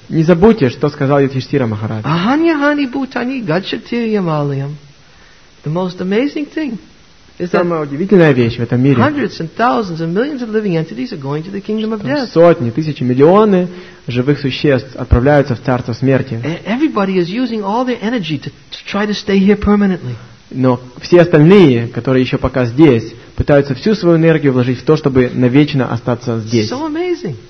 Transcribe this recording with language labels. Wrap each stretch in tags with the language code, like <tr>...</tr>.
<ru>Не забудьте, что сказал Юдхиштхира Махарадж.</ru> <sa>Аханья хани бутани гачати ямалиям.</sa> <en>The most amazing thing.</en> <ru>Самая удивительная вещь в этом мире.</ru> <en>Hundreds and thousands and millions of living entities are going to the kingdom of death.</en> <ru>Сотни, тысячи, миллионы живых существ отправляются в царство смерти.</ru> <en>Everybody is using all their energy to try to stay here permanently.</en> <ru>Но все остальные, которые еще пока здесь, пытаются всю свою энергию вложить в то, чтобы навечно остаться здесь.</ru> <en>So amazing.</en>